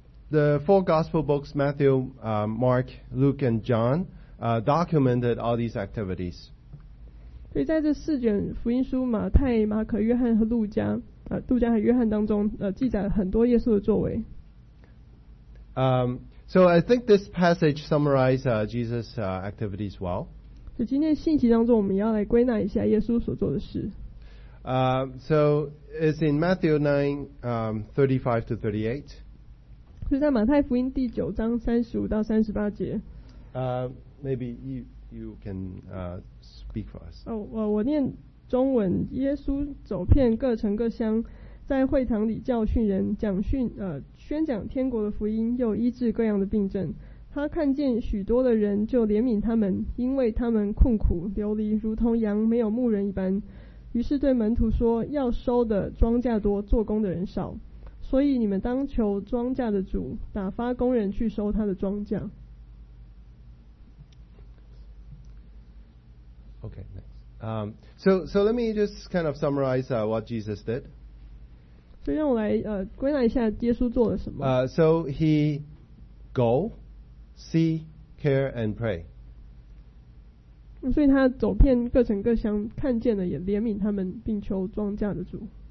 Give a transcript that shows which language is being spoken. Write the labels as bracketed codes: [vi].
[en] The four gospel books, Matthew, Mark, Luke, and John, documented all these activities. [zh] 所以在这四卷福音书，马太、马可、约翰和路加，路加和约翰当中，记载了很多耶稣的作为。 [en] So I think this passage summarizes Jesus' activities well. [zh] 所以今天信息当中，我们要来归纳一下耶稣所做的事。 [en] So it's in Matthew 9:35-38. [zh] 所以在马太福音第九章35-38节。 [en] Maybe you can speak for us. [zh] 我念中文。耶稣走遍各城各乡。在会堂里教训人，宣讲天国的福音，又医治各样的病症。他看见许多的人，就怜悯他们，因为他们困苦流离，如同羊没有牧人一般。于是对门徒说，要收的庄稼多，做工的人少，所以你们当求庄稼的主打发工人去收他的庄稼。 [en] Okay, next. So let me just kind of summarize what Jesus did. [zh] 所以让我来归纳一下耶稣做了什么。 [en] So he go, see, care and pray. [zh] 所以他走遍各城各乡，看见了也怜悯他们，并求庄稼的主。